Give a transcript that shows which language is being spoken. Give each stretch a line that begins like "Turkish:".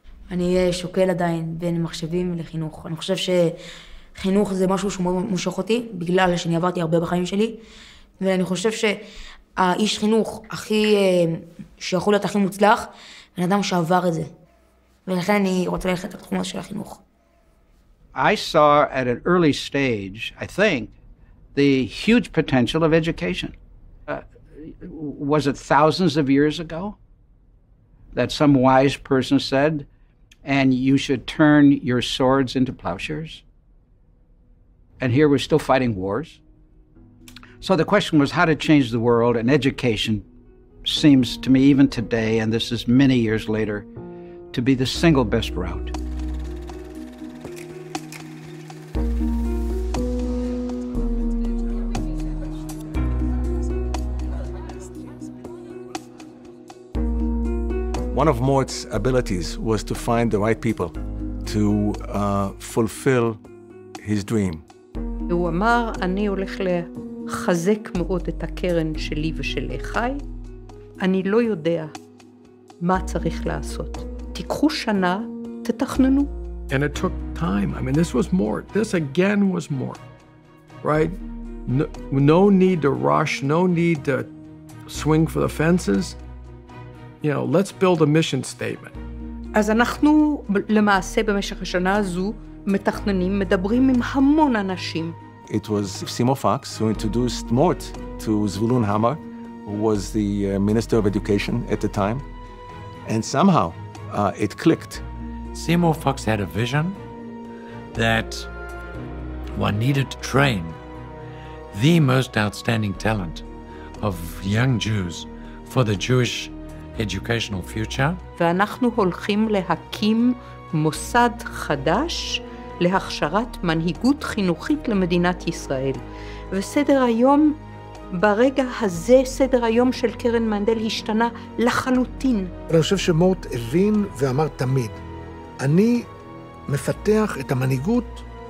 Hebrew: אני שוקל עדיין בין מחשבים לחינוך. אני חושב שחינוך זה משהו שמושך אותי, בגלל שאני עברתי הרבה בחיים שלי. ואני חושב שהאיש חינוך הכי... שיכול להיות הכי מוצלח, בן אדם שעבר את זה. ולכן אני רוצה ללכת לתחום הזה של החינוך.
English: I saw at an early stage, I think, the huge potential of education. Was it thousands of years ago that some wise person said, and you should turn your swords into plowshares? And here we're still fighting wars. So the question was how to change the world, and education seems to me even today, and this is many years later, to be the single best route. One of Mort's abilities was to find the right people to fulfill his dream.
Hebrew: הוא אמר, אני הולך לחזק מאוד את הקרן שלי ושל אחיי. אני לא יודע מה צריך לעשות. תיקחו שנה, תתכננו.
English: And it took time. I mean, this was Mort. This again was Mort. Right? No need to rush, no need to swing for the fences. You know, let's build a mission statement.
Hebrew: אז אנחנו למעשה במשך השנה הזו מתכננים, מדברים עם המון אנשים.
English: It was Simo Fox who introduced Mort to Zvulun Hamar, who was the Minister of Education at the time. And somehow it clicked. Simo Fox had a vision that one needed to train the most outstanding talent of young Jews for the Jewish educational future.
Hebrew: ואנחנו הולכים להקים מוסד חדש להכשרת מנהיגות חינוכית למדינת ישראל. וסדר היום, ברגע הזה, סדר היום של קרן מנדל השתנה לחלוטין. אני חושב שמורט הבין ואמר תמיד, אני מפתח את המנהיגות,